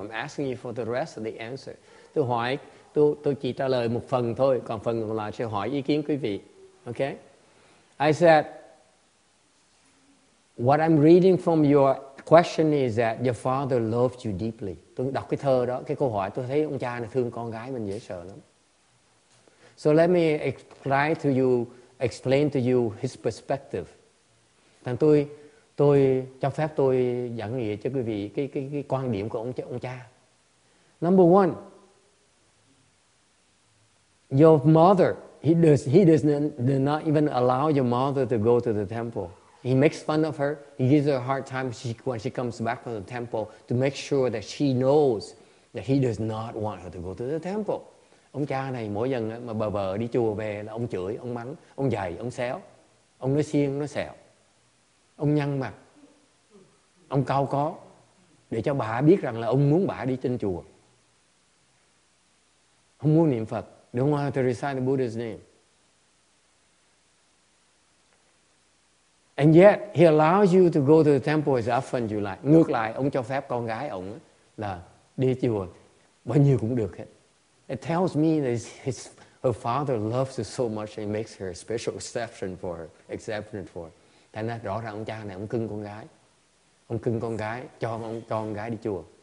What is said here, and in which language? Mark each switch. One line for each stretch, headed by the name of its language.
English: I'm asking you for the rest of the answer.
Vietnamese: Tôi chỉ trả lời một phần thôi, còn phần còn lại sẽ hỏi ý kiến quý vị. Okay?
English: I said, what I'm reading from your question is that your father loved you deeply.
Vietnamese: Tôi đọc cái thơ đó, cái câu hỏi, tôi thấy ông cha này thương con gái mình dễ sợ lắm.
English: So let me explain to you his perspective.
Vietnamese: Thành tôi cho phép tôi giảng nghĩa cho quý vị cái quan điểm của ông cha.
English: Number one, your mother, he does not even allow your mother to go to the temple. He makes fun of her. He gives her a hard time when she comes back from the temple to make sure that she knows that he does not want her to go to the temple.
Vietnamese: Ông cha này mỗi lần mà bờ bờ đi chùa về là ông chửi, ông mắng, ông dạy, ông xéo. Ông nói xiên, nói xẹo. Ông nhăn mặt. Ông cau có. Để cho bà biết rằng là ông muốn bà đi trên chùa. Không muốn niệm Phật.
English: Don't want to recite the Buddha's name. And yet, he allows you to go to the temple as often as you like.
Vietnamese: Ngược lại, ông cho phép con gái ông là đi chùa bao nhiêu cũng được hết.
English: It tells me that her father loves her so much and makes her a special exception for her.
Vietnamese: Thế nên rõ ràng ông cha này ông cưng con gái. Ông cưng con gái, cho con gái đi chùa.